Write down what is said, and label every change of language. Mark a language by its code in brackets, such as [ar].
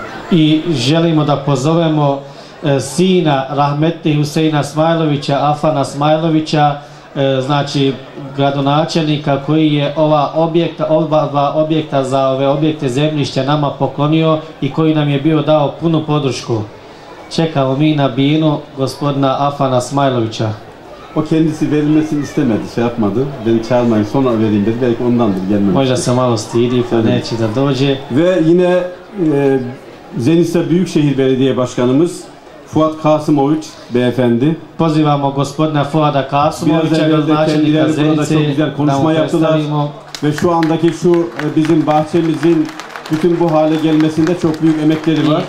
[bs] I želimo da pozovemo sina rahmetli Hüseyina Smailovića, Afana Smailovića, znači gradonačelnika koji je ova objekta, oba dva objekta za ove objekte zemljišća nama poklonio i koji nam je bio dao punu podršku. Čekamo mi na binu gospodina Afana Smailovića. [tr] O kendisi verilmesini istemedi, şey yapmadı. Beni çağırmayın, sonra vereyim dedi. Belki ondandır gelmemiş. [bs] Moja se malo stidi, pa neće da dođe. [tr] Ve yine Zenica Büyükşehir Belediye Başkanımız Fuat Kasımoviç beyefendi. [bs] Pozivamo gospodina Fuada Kasımoviç'e, gradonačelnika Zenice. [tr] Biraz evvel de kendileri burada çok güzel konuşma yaptılar. Ve şu andaki şu bizim bahçemizin bütün bu hale gelmesinde çok büyük emekleri var.